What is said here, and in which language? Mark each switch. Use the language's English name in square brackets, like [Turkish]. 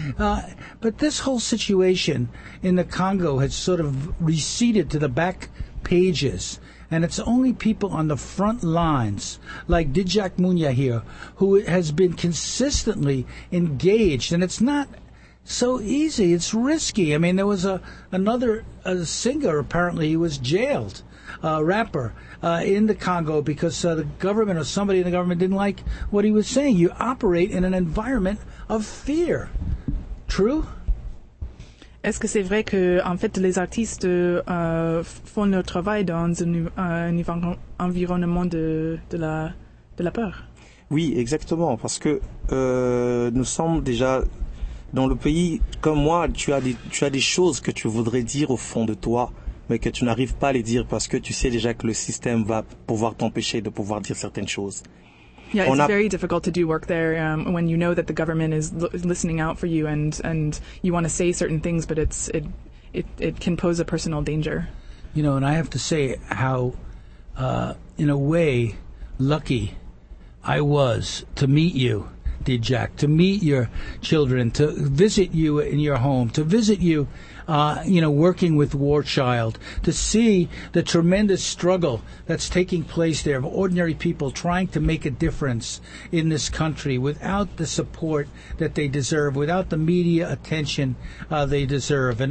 [English] But this whole situation in the Congo has sort of receded to the back pages, and it's only people on the front lines, like Djack Munya here, who has been consistently engaged, and it's not so easy. It's risky. I mean, there was another singer, apparently, he was jailed, a rapper, in the Congo because the government or somebody in the government didn't like what he was saying. You operate in an environment of fear. True? [French] Est-ce que c'est vrai que, en fait, les artistes font leur travail dans un environnement de la peur? Oui, exactement, parce que nous sommes déjà... Dans le pays, comme moi, tu as des choses que tu voudrais dire au fond de toi, mais que tu n'arrives pas à les dire parce que tu sais déjà que le système va pouvoir t'empêcher de pouvoir dire certaines choses. [English] Yeah, it's very difficult to do work there when you know that the government is listening out for you and you want to say certain things, but it can pose a personal danger. You know, and I have to say how, in a way, lucky I was to meet you, dear Jack, to meet your children, to visit you in your home, to visit you, you know, working with War Child, to see the tremendous struggle that's taking place there of ordinary people trying to make a difference in this country without the support that they deserve, without the media attention they deserve.